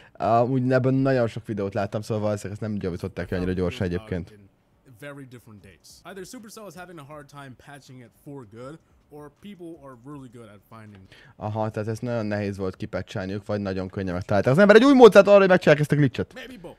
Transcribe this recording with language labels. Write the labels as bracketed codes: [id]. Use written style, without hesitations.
[hu] Amúgy ebben nagyon sok videót láttam, szóval ezt nem gyavították ki annyira gyorsan egyébként. [en] Very different dates. Either Supercell is having a hard time patching it for good, or people are really good at finding. [hu] Aha, tehát ez nagyon nehéz volt kipatchálniuk, vagy nagyon könnyen megtalálták. Az ember egy új módszert arra, hogy megcsinálják ezt a glitchet.